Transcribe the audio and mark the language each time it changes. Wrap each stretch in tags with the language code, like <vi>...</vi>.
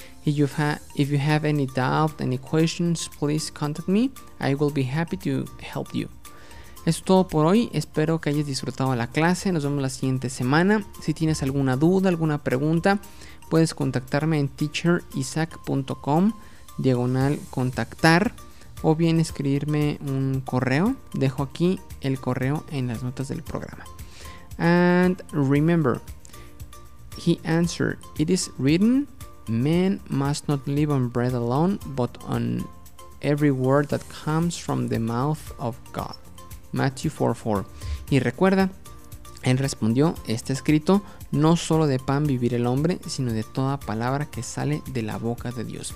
<en>If you have any doubt, any questions, please contact me. I will be happy to help you.</en> <es>Es todo por hoy, espero que hayas disfrutado la clase, nos vemos la siguiente semana. Si tienes alguna duda, alguna pregunta, puedes contactarme en teacherisaac.com/contactar o bien escribirme un correo, dejo aquí el correo en las notas del programa.</es> <en>And remember, he answered, it is written, man must not live on bread alone, but on every word that comes from the mouth of God. Matthew 4:4.</en> <es>Y recuerda, él respondió, está escrito, no solo de pan vivir el hombre, sino de toda palabra que sale de la boca de Dios.</es>